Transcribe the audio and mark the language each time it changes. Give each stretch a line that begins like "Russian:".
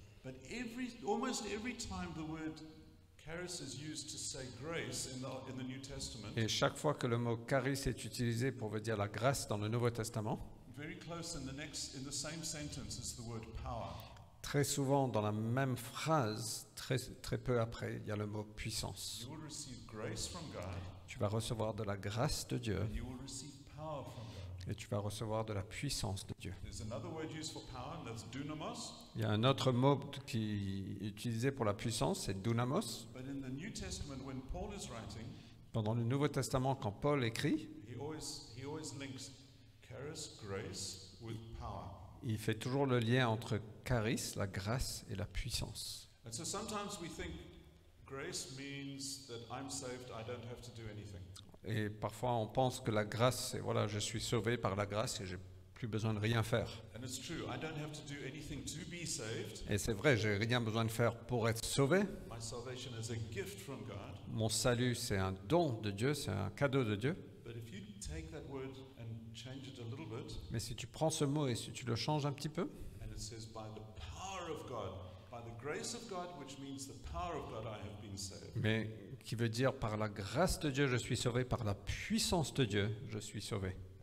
English: But almost every time the word charis is used to say grace in the New Testament.
French: Et chaque fois que le mot charis est utilisé pour veut dire la grâce dans le Nouveau Testament.
English: Very close in the same sentence is the word power.
French: Très souvent dans la même phrase, très peu après, il y a le mot puissance.
English: You will receive grace from God.
French: Tu vas recevoir de la grâce de Dieu.
English: You will receive power from God.
French: Et tu vas recevoir de la puissance de Dieu.
English: There's another word used for power, that's dunamos.
French: Il y a un autre mot qui est utilisé pour la puissance, c'est dunamos.
English: But in the New Testament, when Paul is writing,
French: pendant le Nouveau Testament, quand Paul écrit,
English: he always links charis, grace, with power.
French: Il fait toujours le lien entre charis, la grâce, et la puissance.
English: And so sometimes we think grace means that I'm saved, I don't have to do anything.
French: Et parfois on pense que la grâce, c'est voilà, je suis sauvé par la grâce et je n'ai plus besoin de rien faire.
English: And it's true, I don't have to do anything to be saved.
French: Et c'est vrai, je n'ai rien besoin de faire pour être sauvé.
English: My salvation is a gift from God.
French: Mon salut, c'est un don de Dieu, c'est un cadeau de Dieu.
English: But if you take that word and change it a little bit,
French: mais si tu prends ce mot et si tu le changes un petit peu,
English: and it says by the power of God, by the grace of God, which means the power of God, I have been saved.
French: Mais qui veut dire par la grâce de Dieu, je suis sauvé, par la puissance de Dieu, je suis sauvé.